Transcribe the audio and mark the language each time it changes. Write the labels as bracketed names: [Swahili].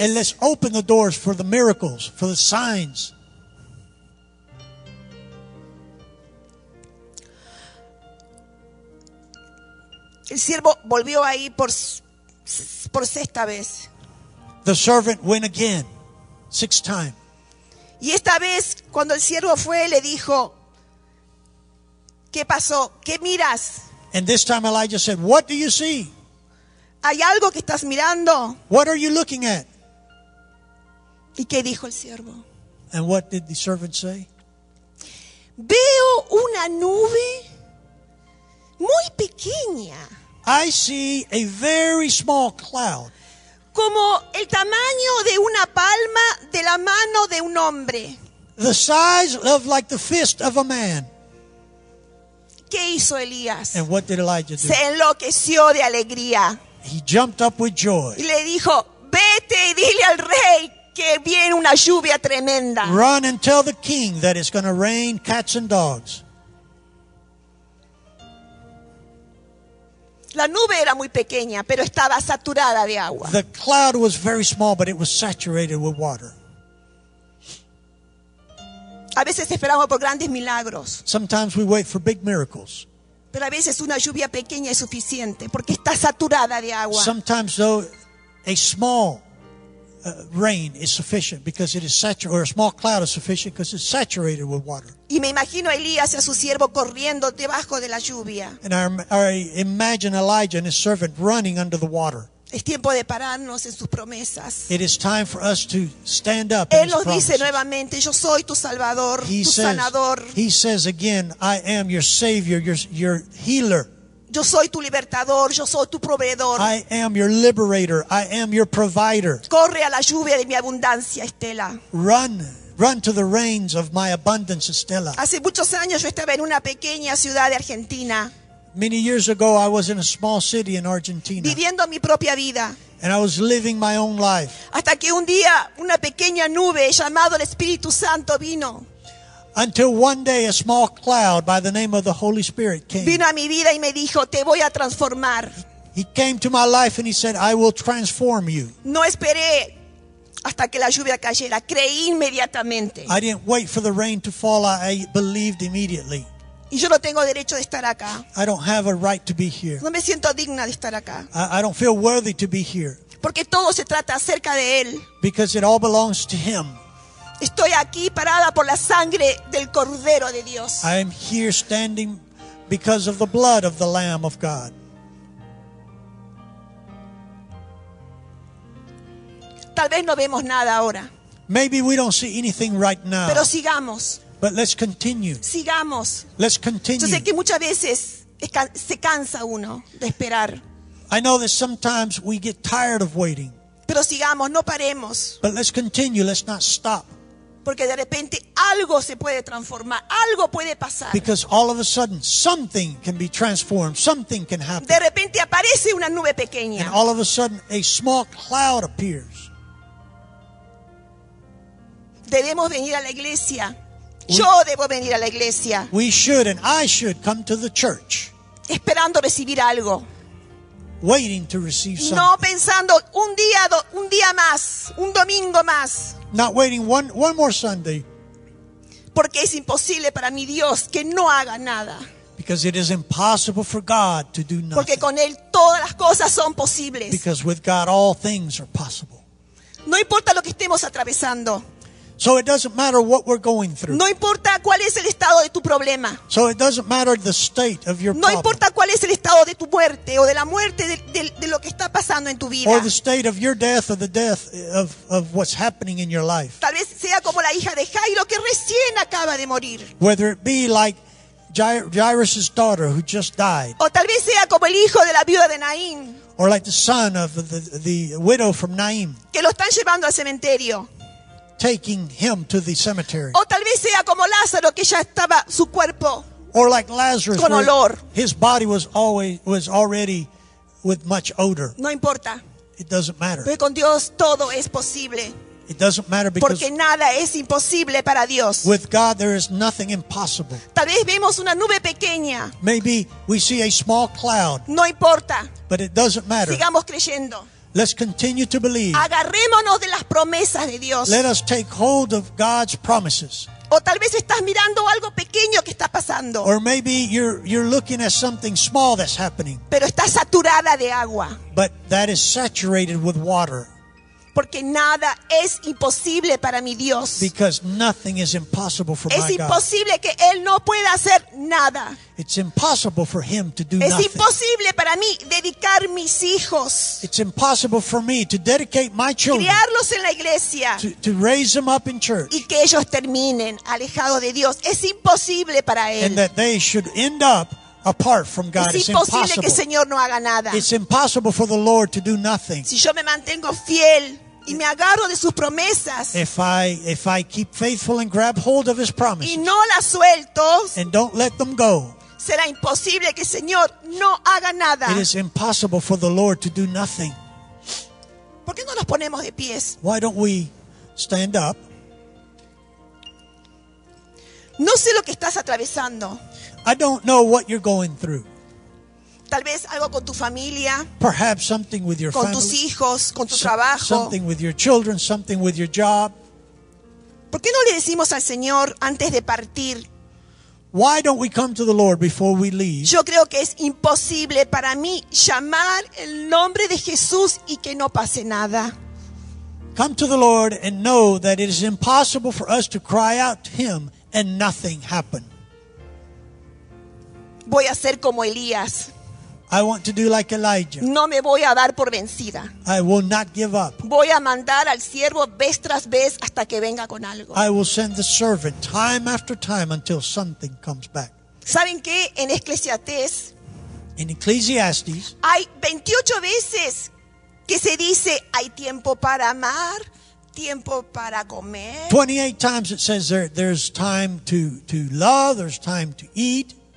[English] And let's open the doors for the miracles, for the signs. [Spanish] El siervo volvió ahí por sexta vez. [English] The servant went again, sixth time. [Spanish] Y esta vez, cuando el siervo fue, le dijo, ¿qué pasó? ¿Qué miras? [English] And this time Elijah said, what do you see? [Spanish] ¿Hay algo que estás mirando? [English] What are you looking at? [Spanish] ¿Y qué dijo el siervo? [English] And what did the servant say? [Spanish] Veo una nube muy pequeña. [English] I see a very small cloud. [Spanish] como el tamaño de una palma de la mano de un hombre. [English] The size of like the fist of a man. [Spanish] ¿Qué hizo Elías? [English] And what did Elijah do? [Spanish] Se enloqueció de alegría. [English] He jumped up with joy. [Spanish] Y le dijo, vete y dile al rey que viene una lluvia tremenda. [English] Run and tell the king that it's going to rain cats and dogs. [Spanish] La nube era muy pequeña, pero estaba saturada de agua. [English] The cloud was very small, but it was saturated with water. [Spanish] A veces esperamos por grandes milagros. [English] Sometimes we wait for big miracles. [Spanish] Pero a veces una lluvia pequeña es suficiente porque está saturada de agua. [English] Sometimes though a small rain is sufficient because it is saturated, or a small cloud is sufficient because it's saturated with water. [Spanish] Y me imagino a Elías y a su siervo corriendo debajo de la lluvia. [English] And I imagine Elijah and his servant running under the water. [Spanish] Es tiempo de pararnos en sus promesas. [English] It is time for us to stand up. [Spanish] Él nos dice nuevamente, yo soy tu salvador, tu sanador. [English] He says again, I am your savior, your healer. [Spanish] Yo soy tu libertador, yo soy tu proveedor. [English] I am your liberator, I am your provider. [Spanish] Corre a la lluvia de mi abundancia, Estela. [English] Run to the rains of my abundance, Estela. [Spanish] Hace muchos años yo estaba en una pequeña ciudad de Argentina. [English] Many years ago, I was in a small city in Argentina. [Spanish] Viviendo mi propia vida. [English] And I was living my own life. [Spanish] Hasta que un día, una pequeña nube llamado el Espíritu Santo vino. [English] Until one day, a small cloud by the name of the Holy Spirit came. [Spanish] Vino a mi vida y me dijo, te voy a transformar. [English] He came to my life and he said, I will transform you. [Spanish] No esperé hasta que la lluvia cayera. Creí inmediatamente. [English] I didn't wait for the rain to fall. I believed immediately. [Spanish] Y yo no tengo derecho de estar acá. [English] I don't have a right to be here. [Spanish] No me siento digna de estar acá. [English] I don't feel worthy to be here. [Spanish] Porque todo se trata acerca de él. [English] Because it all belongs to him. [Spanish] Estoy aquí parada por la sangre del Cordero de Dios. [English] I am here standing because of the blood of the Lamb of God. [Spanish] Tal vez no vemos nada ahora. [English] Maybe we don't see anything right now. [Spanish] Pero sigamos. [English] But let's continue. [Spanish] Sigamos. [English] Let's continue. [Spanish] Yo sé que muchas veces se cansa uno de esperar. [English] I know that sometimes we get tired of waiting. [Spanish] Pero sigamos, no paremos. [English] But let's continue. Let's not stop. [Spanish] Porque de repente algo se puede transformar, algo puede pasar. [English] Because all of a sudden something can be transformed, something can happen. [Spanish] De repente aparece una nube pequeña. [English] And all of a sudden a small cloud appears. [Spanish] Debemos venir a la iglesia. Yo debo venir a la iglesia. [English] We should and I should come to the church. [Spanish] Esperando recibir algo. [English] Waiting to receive something. [Spanish] No pensando un día más, un domingo más. [English] Not waiting one more Sunday. [Spanish] Porque es imposible para mi Dios que no haga nada. [English] Because it is impossible for God to do nothing. [Spanish] Porque con él todas las cosas son posibles. [English] Because with God all things are possible. [Spanish] No importa lo que estemos atravesando. [English] So it doesn't matter what we're going through. [Spanish] No importa cuál es el estado de tu problema. [English] So it doesn't matter the state of your [Spanish] problem. No importa cuál es el estado de tu muerte o de la muerte de lo que está pasando en tu vida. [English] Or the state of your death or the death of what's happening in your life. [Spanish] Tal vez sea como la hija de Jairo que recién acaba de morir. [English] Whether it be like Jairus' daughter who just died. [Spanish] O tal vez sea como el hijo de la viuda de Naín. [English] Or like the son of the widow from Naim. [Spanish] Que lo están llevando al cementerio. [English] Taking him to the cemetery. [Spanish] O tal vez sea como Lázaro que ya estaba su cuerpo. [English] Or like Lazarus, [Spanish] con olor. [English] His body was already with much odor. [Spanish] No importa. [English] It doesn't matter. [Spanish] Porque con Dios todo es posible. [English] It doesn't matter because [Spanish] porque nada es imposible para Dios. [English] With God there is nothing impossible. [Spanish] Tal vez vemos una nube pequeña. [English] Maybe we see a small cloud. [Spanish] No importa. [English] But it doesn't matter. [Spanish] Sigamos creyendo. [English] Let's continue to believe. [Spanish] Agarrémonos de las promesas de Dios. [English] Let us take hold of God's promises. [Spanish] O tal vez estás mirando algo pequeño que está pasando. [English] Or maybe you're looking at something small that's happening. [Spanish] Pero está saturada de agua. [English] But that is saturated with water. [Spanish] Porque nada es imposible para mi Dios. [English] Because nothing is impossible for my God. [Spanish] Es imposible que Él no pueda hacer nada. [English] It's impossible for Him to do nothing. [Spanish] Es imposible para mí dedicar mis hijos. [English] It's impossible for me to dedicate my children. [Spanish] Criarlos en la iglesia. [English] To raise them up in church. [Spanish] Y que ellos terminen alejados de Dios. Es imposible para Él. [English] And that they should end up apart from God. [Spanish] Es imposible que el Señor no haga nada. [English] It's impossible for the Lord to do nothing. [Spanish] Si yo me mantengo fiel y me agarro de sus promesas, [English] if I keep faithful and grab hold of his promises, [Spanish] y no las suelto, [English] and don't let them go, [Spanish] será imposible que el Señor no haga nada. [English] It is impossible for the Lord to do nothing. [Spanish] ¿Por qué no nos ponemos de pies? [English] Why don't we stand up? [Spanish] No sé lo que estás atravesando. [English] I don't know what you're going through. [Spanish] Tal vez algo con tu familia. [English] Perhaps something with your [Spanish] con [English] family. [Spanish] Con tus hijos, con tu trabajo. [English] Something with your children, something with your job. [Spanish] ¿Por qué no le decimos al Señor antes de partir? [English] Why don't we come to the Lord before we leave? [Spanish] Yo creo que es imposible para mí llamar el nombre de Jesús y que no pase nada. [English] Come to the Lord and know that it is impossible for us to cry out to him and nothing happen. [Spanish] Voy a ser como Elías. [English] I want to do like Elijah. [Spanish] No me voy a dar por vencida. [English] I will not give up. [Spanish] Voy a mandar al siervo vez tras vez hasta que venga con algo. [English] I will send the servant time after time until something comes back. [Spanish] ¿Saben qué? En Eclesiastés, [English] in Ecclesiastes, [Spanish] hay 28 veces que se dice hay tiempo para amar, tiempo para comer. [English] 28 times it says there's time to love, there's time to eat.